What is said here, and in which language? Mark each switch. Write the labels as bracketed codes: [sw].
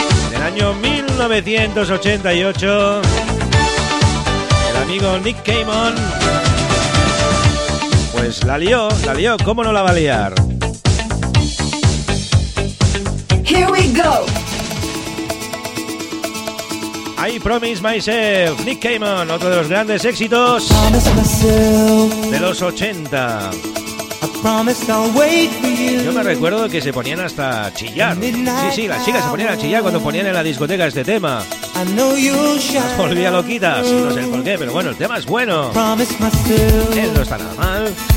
[es] Del año 1988, el amigo Nick Kamen, pues la lió, ¿cómo no la va a liar? [en] Here we go. [es] I promise myself, Nick Kamen, otro de los grandes éxitos de los 80. [en] I promised I'll wait for you. [es] Yo me recuerdo que se ponían hasta a chillar. Sí, sí, las chicas se ponían a chillar cuando ponían en la discoteca este tema. Las volvía loquitas, no sé por qué, pero bueno, el tema es bueno. Él no está nada mal.